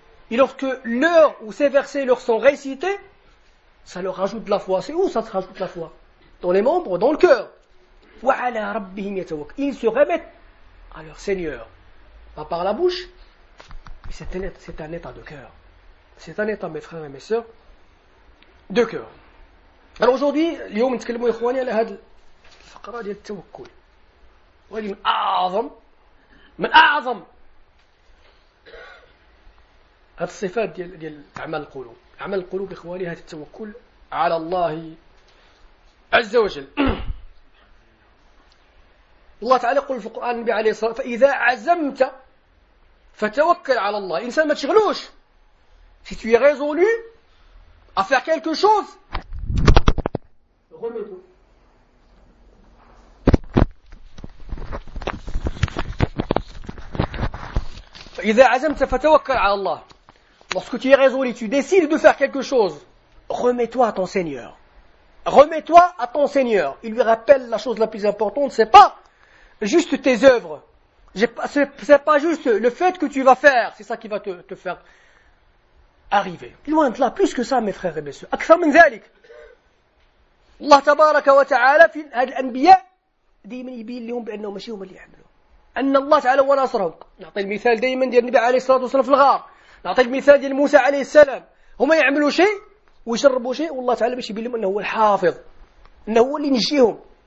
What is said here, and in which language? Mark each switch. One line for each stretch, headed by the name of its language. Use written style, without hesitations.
French: Et lorsque leur ou ces versets leur sont récités, ça leur rajoute de la foi. C'est où ça se rajoute de la foi? Dans les membres, dans le cœur. Ils se remettent à leur Seigneur. Pas par la bouche, mais c'est un état de cœur. C'est un état, mes frères et mes sœurs, de cœur. Alors aujourd'hui,
Arabic: اليوم نتكلموا يا اخواني على هذا الفقره ديال التوكل. وهذه من اعظم هذه الصفات ديال اعمال القلوب. اعمال القلوب اخواني هذا التوكل على الله عز وجل. الله تعالى يقول في القران النبي عليه الصلاه والسلام فاذا عزمت فتوكل على الله. انسان ما تشغلوش.
French: Si tu es résolu à faire quelque chose,
Arabic: إذا عزمت فتوكل على الله.
French: Lorsque tu es résolu, tu décides de faire quelque chose, remets-toi à ton Seigneur. Remets-toi à ton Seigneur. Il lui rappelle la chose la plus importante, c'est pas juste tes œuvres. C'est pas juste le fait que tu vas faire, c'est ça qui va te faire arriver. Loin de là, plus que ça, mes frères et mes sœurs.
Arabic: أكثر من ذلك. الله تبارك وتعالى في هذه الأنبياء دي من يبين لهم بأنهم ماشي هم اللي يعملوا، أن الله تعالى هو ناصرهم. نعطي المثال دائما ديال النبي عليه الصلاة والسلام في الغار، نعطي المثال ديال موسى عليه السلام، هما يعملوا شيء ويجربوا شيء والله تعالى باش يبين لهم أنه هو الحافظ، أنه هو اللي ينجيهم.